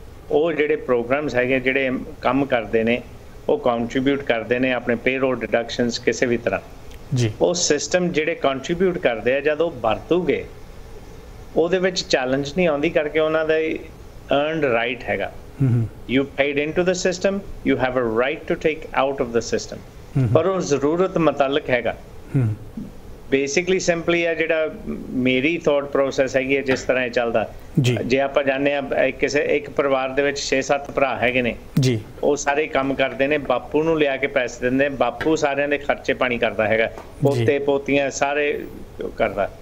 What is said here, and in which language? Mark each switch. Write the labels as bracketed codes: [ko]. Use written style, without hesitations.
[pa] ਉਹ ਜਿਹੜੇ ਪ੍ਰੋਗਰਾਮਸ ਹੈਗੇ, ਜਿਹੜੇ ਕੰਮ ਕਰਦੇ ਨੇ, ਉਹ ਕੰਟਰੀਬਿਊਟ ਕਰਦੇ ਨੇ ਆਪਣੇ ਪੇਰੋਲ ਡਿਡਕਸ਼ਨਸ ਕਿਸੇ ਵੀ ਤਰ੍ਹਾਂ ਜੀ। ਉਹ ਸਿਸਟਮ ਜਿਹੜੇ ਕੰਟਰੀਬਿਊਟ ਕਰਦੇ ਆ, ਜਦ ਉਹ ਵਰਤੂਗੇ ਉਹਦੇ ਵਿੱਚ ਚੈਲੰਜ ਨਹੀਂ ਆਉਂਦੀ, ਕਰਕੇ ਉਹਨਾਂ ਦਾ ਅਰਨਡ ਰਾਈਟ ਹੈਗਾ। [en] You paid into the system, you have a right to take out of the system. [pa] ਪਰ ਉਹ ਜ਼ਰੂਰਤ ਮੁਤਾਲਕ ਹੈਗਾ। ਬੇਸਿਕਲੀ ਸਿੰਪਲੀ ਆ ਜਿਹੜਾ ਮੇਰੀ ਥੋਟ ਪ੍ਰੋਸੈਸ ਹੈਗੀ ਹੈ, ਜਿਸ ਤਰ੍ਹਾਂ ਇਹ ਚੱਲਦਾ। ਜੇ ਆਪਾਂ ਜਾਣਦੇ ਹਾਂ ਕਿਸੇ ਇੱਕ ਪਰਿਵਾਰ ਦੇ ਵਿੱਚ 6-7 ਭਰਾ ਹੈਗੇ ਨੇ ਜੀ, ਉਹ ਸਾਰੇ ਕੰਮ ਕਰਦੇ ਨੇ, ਬਾਪੂ ਨੂੰ ਲਿਆ ਕੇ ਪੈਸੇ ਦਿੰਦੇ, ਬਾਪੂ ਸਾਰਿਆਂ ਦੇ ਖਰਚੇ ਪਾਣੀ ਕਰਦਾ ਹੈਗਾ, ਪੋਤੇ ਪੋਤੀਆਂ ਸਾਰੇ ਕਰਦਾ